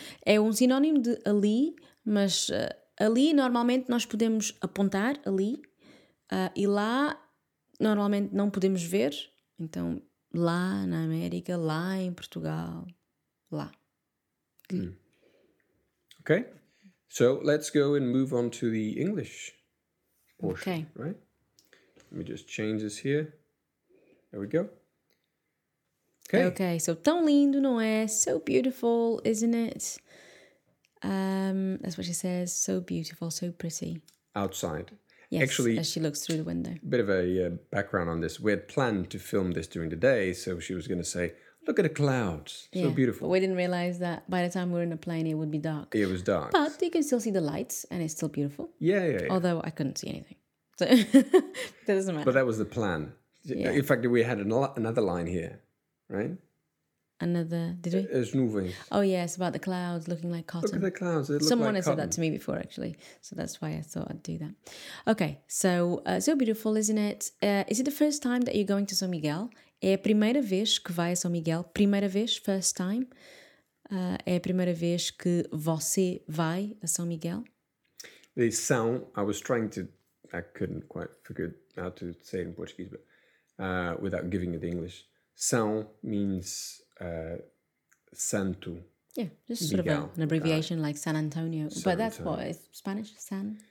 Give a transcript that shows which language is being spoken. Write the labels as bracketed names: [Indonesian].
[Portuguese] É um sinónimo de ali, mas ali normalmente nós podemos apontar ali e lá normalmente não podemos ver. Então, lá na América, lá em Portugal, lá. [English] Ok. So, let's go and move on to the English portion, okay. Right? Let me just change this here. There we go. Okay. Okay, so, [Portuguese] tão lindo, não é? [English] So beautiful, isn't it? That's what she says. So beautiful, so pretty. Outside. Yes, actually, as she looks through the window. Bit of a background on this. We had planned to film this during the day, so she was going to say, look at the clouds, yeah, so beautiful. But we didn't realize that by the time we were in the plane, it would be dark. It was dark. But you can still see the lights, and it's still beautiful. Yeah, yeah, yeah. Although I couldn't see anything. So that doesn't matter. But that was the plan. Yeah. In fact, we had another line here, right? Another, did we? [Portuguese] As nuvens. [English] Oh, yes, about the clouds looking like cotton. Look at the clouds, they look someone like has cotton. Said that to me before, actually. So that's why I thought I'd do that. Okay, so so beautiful, isn't it? Is it the first time that you're going to São Miguel? [Portuguese] É a primeira vez que vai a São Miguel? Primeira vez, [English] first time? [Portuguese] É a primeira vez que você vai a São Miguel? [English] The São, I was trying to, I couldn't quite figure how to say it in Portuguese, but without giving it the English. São means Santo. Yeah, just Miguel. Sort of an abbreviation like San Antonio. San but that's Antonio. What, it's Spanish, San?